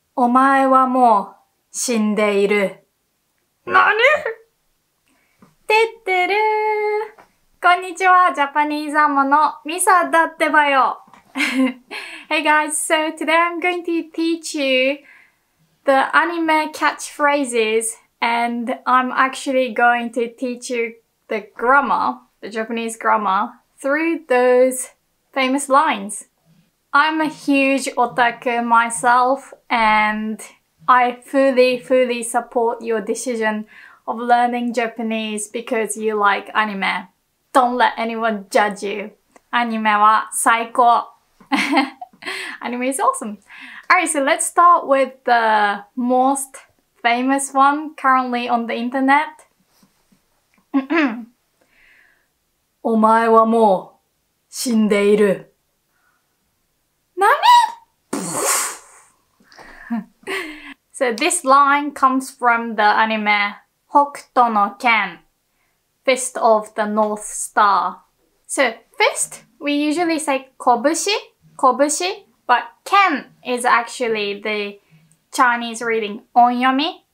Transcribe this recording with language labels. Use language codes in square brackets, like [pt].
[ja] お前はもう死んでいる。なに？てってるー。こんにちは、ジャパニーズアモのミサだってばよ。 [en] Hey guys, so today I'm going to teach you the anime catchphrases and I'm actually going to teach you the grammar, the Japanese grammar, through those famous lines. I'm a huge otaku myself, and I fully support your decision of learning Japanese because you like anime. Don't let anyone judge you. [ja] Anime は最高! [en] Anime is awesome! Alright, so let's start with the most famous one currently on the internet. [ja] お前はもう死んでいる。 NANI? [en] So this line comes from the anime Hokuto no Ken, Fist of the North Star. So fist, we usually say kobushi, but Ken is actually the Chinese reading onyomi.